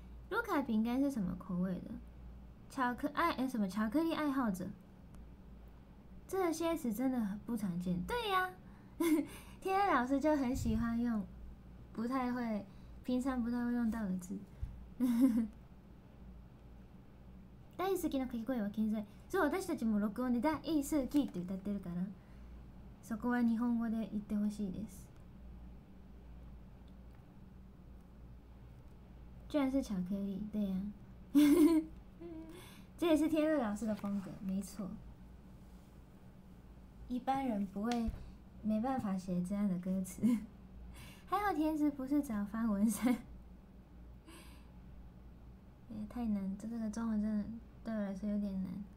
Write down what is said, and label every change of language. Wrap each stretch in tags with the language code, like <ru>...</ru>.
<zh>卢卡饼干是什么口味的？巧克力爱好者，这些词真的很不常见。对呀、啊，天天老师就很喜欢用，不太会，平常不太会用到的字。</zh> <ja>大好きな掛け声は健在。そう、私たちも録音で大好きって歌ってるから、そこは日本語で言ってほしいです。</ja> <zh>居然是巧克力，对呀、啊，这也是天乐老师的风格，没错。一般人不会，没办法写这样的歌词。还好天子不是找方文山，也太难，这个中文真的对我来说有点难。</zh>